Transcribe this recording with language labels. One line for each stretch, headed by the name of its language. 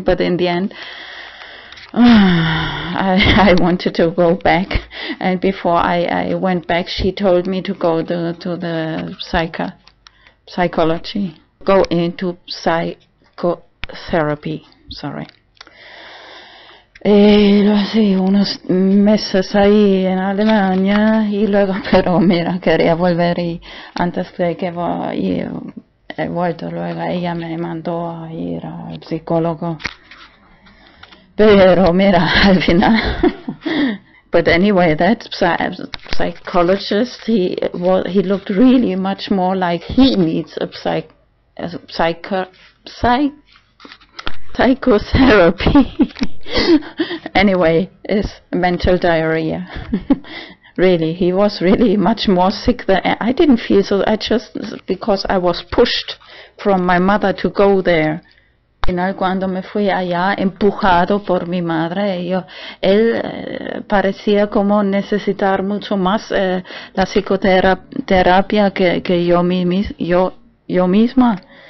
English: But in the end, I wanted to go back. And before I went back, she told me to go to the psychology, go into psychotherapy. Sorry.
Spanish: Y lo hice unos meses ahí en Alemania y luego, pero mira, quería volver y antes de que he vuelto luego, ella me mandó a ir al psicólogo. Pero mira, al final.
English: But anyway, that psychologist, he looked really much more like he needs a psychotherapy. Anyway, it's mental diarrhea. Really, he was really much more sick than I didn't feel so. I just because I was pushed from my mother to go there.
Spanish: Al final, cuando me fui allá, empujado por mi madre, él parecía como necesitar mucho más la psicoterapia que yo misma.